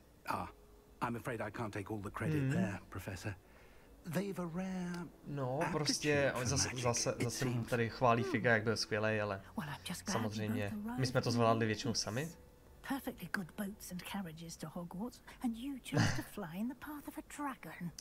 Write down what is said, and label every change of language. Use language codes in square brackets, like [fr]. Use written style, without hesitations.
[en] Ah, I'm afraid I can't take all the credit there, professor. They've a rare. [cs] No, prostě on zase tady chválí Figa, jak byl skvělý, ale samozřejmě. My jsme to zvládli většinou sami. [en] Perfectly good boats and carriages to Hogwarts and you chose to fly in the path of a dragon.